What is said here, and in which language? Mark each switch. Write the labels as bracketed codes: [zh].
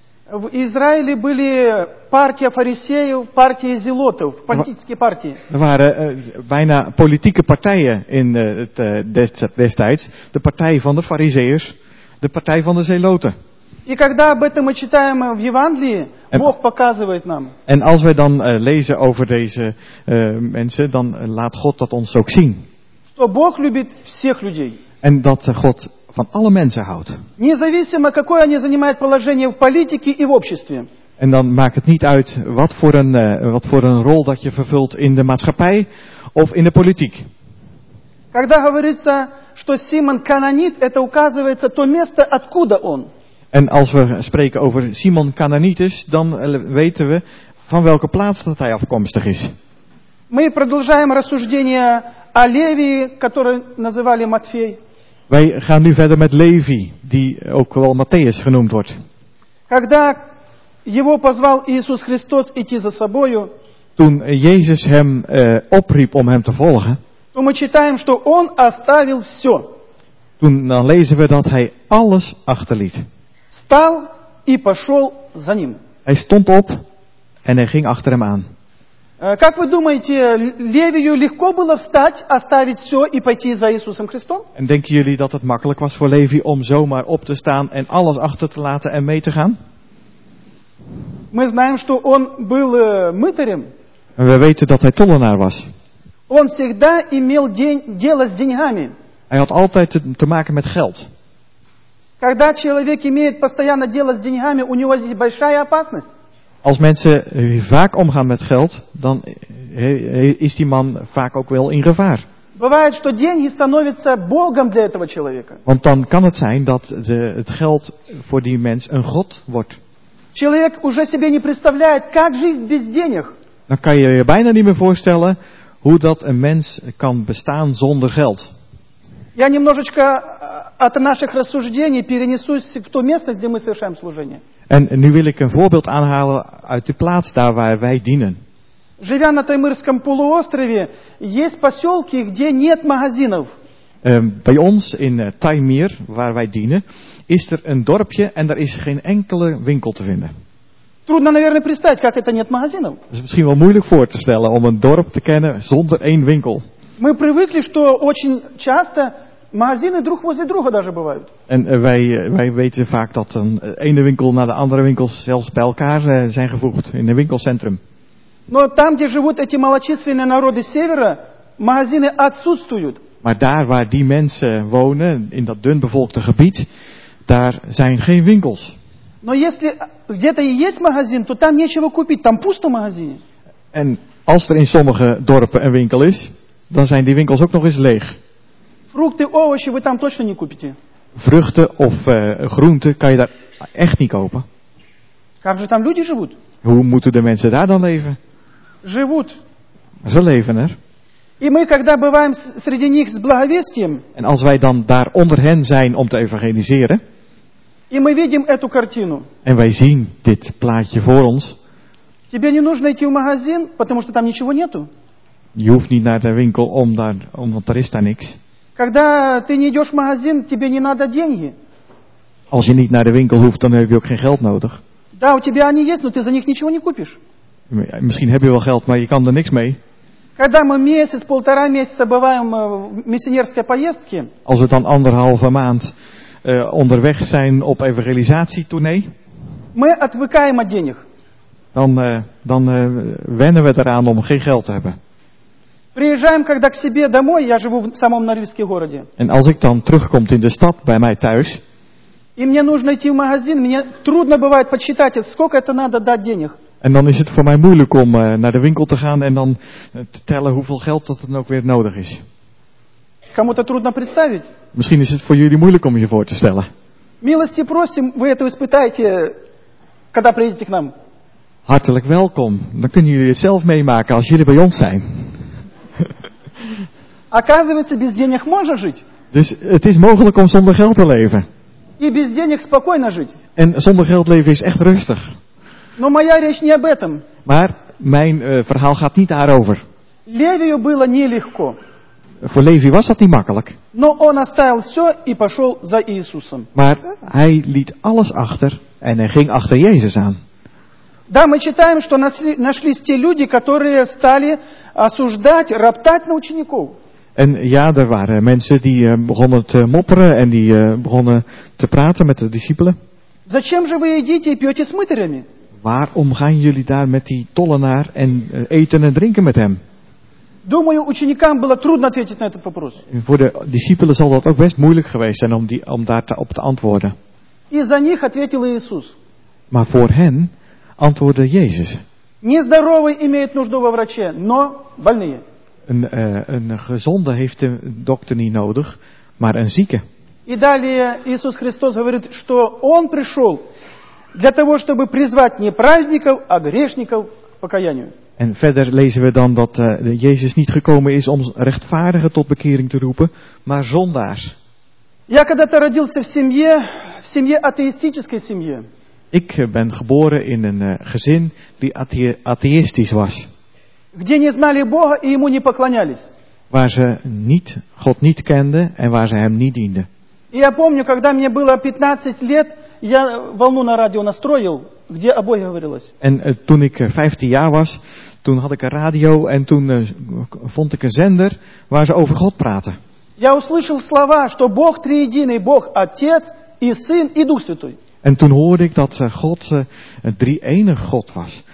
[ru] В Израиле были партия фарисеев, партия зелотов, политические партии. [nl] Er waren bijna politieke partijen in het destijds, de partij van de fariseeërs, de partij van de Zeloten. [ru] И когда об этом мы читаем в Евангелии, Бог показывает нам. [nl] En als wij dan lezen over deze mensen, dan laat God dat ons ook zien. [ru] Что Бог любит всех людей. [nl] En dat God van alle mensen houdt. [ru] Независимо, какое они занимают положение в политике и в обществе. [nl] En dan maakt het niet uit wat voor een rol dat je vervult in de maatschappij of in de politiek. [ru] Когда говорится, что Симон Кананит, это указывается то место, откуда он. [nl] En als we spreken over Simon Cananitus, dan weten we van welke plaats dat hij afkomstig is. [ru] Мы продолжаем рассуждение о Леви, который называли Матфей. [nl] Wij gaan nu verder met Леви, die ook wel Матфеем genoemd wordt. [ru] Когда его позвал Иисус Христос идти за собою, [nl] toen Jezus hem opriep om hem te volgen, [ru] то мы читаем, что он оставил все. [nl] Toen dan lezen we dat hij alles achterliet. [ru] Стал и пошел за ним. [nl] Hij stond op en hij ging achter hem aan. [ru] Как вы думаете, Левию легко было встать, оставить все и пойти за Иисусом Христом? [nl] En denken jullie dat het makkelijk was voor Леви om zomaar op te staan en alles achter te laten en mee te gaan? [ru] Мы знаем, что он был мытарем. [nl] En we weten dat hij tollenaar was. [ru] Он всегда имел дело с деньгами. [nl] Hij had altijd te maken met geld. [ru] Когда человек имеет постоянно дело с деньгами, у него здесь большая опасность. [nl] Als mensen vaak omgaan met geld, dan is die man vaak ook wel in gevaar. [ru] Бывает, что деньги становятся богом для этого человека. [nl] Want dan kan het zijn dat het geld voor die mens een god wordt. [ru] Человек уже себе не представляет, как жизнь без денег. [nl] Dan kan je bijna niet meer voorstellen hoe dat een mens kan bestaan zonder geld. [ru] Я немножечко от наших рассуждений перенесусь в то место, где мы совершаем служение. [nl] En nu wil ik een voorbeeld aanhalen uit de plaats daar waar wij dienen. [ru] Живя на Таймырском полуострове, есть поселки, где нет магазинов. [nl] Bij ons in Таймыр, waar wij dienen, is er een dorpje en daar is geen enkele winkel te vinden. [ru] Трудно, наверное, представить, как это нет магазинов. [nl] Het is misschien wel moeilijk voor te stellen om een dorp te kennen zonder één winkel. [ru] Мы привыкли, что очень часто Магазины друг возле друга даже бывают. [nl] En wij weten vaak dat een ene winkel naar de andere winkel zelfs bij elkaar zijn gevoegd in een winkelcentrum. [ru] Но там, где живут эти малочисленные народы севера, магазины отсутствуют. [nl] Maar daar waar die mensen wonen, in dat dunbevolkte gebied, daar zijn geen winkels. [ru] Но если где-то и есть магазин, то там нечего купить, там пусто магазин. [nl] En als er in sommige dorpen een winkel is, dan zijn die winkels ook nog eens leeg. [ru] Фрукты, овощи вы там точно не купите. [nl] Vruchten of groenten kan je daar echt niet kopen. [ru] Как же там люди живут? [nl] Hoe moeten de mensen daar dan leven? [ru] Живут. [nl] Ze leven er. [ru] И мы когда бываем среди них с благовестием. [nl] En als wij dan daar onder hen zijn om te evangeliseren. [ru] И мы видим эту картину. [nl] En wij zien dit plaatje voor ons. [ru] Тебе не нужно идти в магазин, потому что там ничего нету. [nl] Je hoeft niet naar de winkel om daar, omdat er is daar niks. [ru] Когда ты не идешь в магазин, тебе не надо деньги. [nl] Als je niet naar de winkel hoeft, dan heb je ook geen geld nodig. [ru] Да, у тебя они есть, но ты за них ничего не купишь. [nl] Misschien heb je wel geld, maar je kan er niks mee. [ru] Когда мы месяц, полтора месяца бываем в миссионерской поездке. [nl] Als we dan anderhalve maand onderweg zijn op evangelisatietournee. [ru] Мы отвыкаем от денег. [nl] Dan wennen we eraan om geen geld te hebben. [ru] Приезжаем когда к себе домой, я живу в самом Норильске городе. [nl] En als ik dan terugkom in de stad bij mij thuis. [ru] И мне нужно идти в магазин, мне трудно бывает подсчитать, сколько это надо дать денег. [nl] En dan is het voor mij moeilijk om naar de winkel te gaan en dan te tellen hoeveel geld dat dan ook weer nodig is. [ru] Кому-то трудно представить. [nl] Misschien is het voor jullie moeilijk om je voor te stellen. [ru] Милости просим, вы это испытаете, когда приедете к нам. [nl] Hartelijk welkom. Dan kunnen jullie het zelf meemaken als jullie bij ons zijn. [ru] Оказывается, без денег можно жить. [nl] Dus het is mogelijk om zonder geld te leven. [ru] И без денег спокойно жить. [nl] En zonder geld leven is echt rustig. [ru] Но моя речь не об этом. [nl] Maar mijn verhaal gaat niet daarover. [ru] Левию было нелегко. [nl] Voor Levi was dat niet makkelijk. [ru] Но он оставил все и пошел за Иисусом. [nl] Maar hij liet alles achter en hij ging achter Jezus aan. [ru] Да, мы читаем, что нашлись те люди, которые стали осуждать, роптать на учеников. [nl] En ja, er waren mensen die begonnen te mopperen en die begonnen te praten met de discipelen. [ru] Зачем же вы едите и пьете с мытарями? [nl] Waarom gaan jullie daar met die tollenaar en eten en drinken met hem? [ru] Думаю, ученикам было трудно ответить на этот вопрос. [nl] Voor de discipelen zal dat ook best moeilijk geweest zijn om daar op te antwoorden. [ru] И за них ответил Иисус. [nl] Maar voor hen antwoordde Jezus. [ru] Нездоровый имеет нужду во враче, но больные. [nl] Een gezonde heeft een dokter niet nodig, maar een zieke. [ru] И далее Иисус Христос говорит, что Он пришел для того, чтобы призвать не праведников, а грешников к покаянию. [nl] En verder lezen we dan dat Jezus niet gekomen is om rechtvaardigen tot bekering te roepen, maar zondaars. [ru] Я когда-то родился в семье атеистической семье. [nl] Ik ben geboren in een gezin die atheïstisch was. [ru] Где не знали Бога и ему не поклонялись. [nl] Waar ze niet, God niet kenden en waar ze hem niet dienden. [ru] И я помню, когда мне было 15 лет, я волну на радио настроил, где о Боге говорилось. [nl] En toen ik 15 jaar was, toen had ik een radio en toen vond ik een zender waar ze over God praten. [ru] Я услышал слова, что Бог триединый, Бог Отец и Сын и Дух Святой. [nl] En toen hoorde ik dat God een drie-enig God was.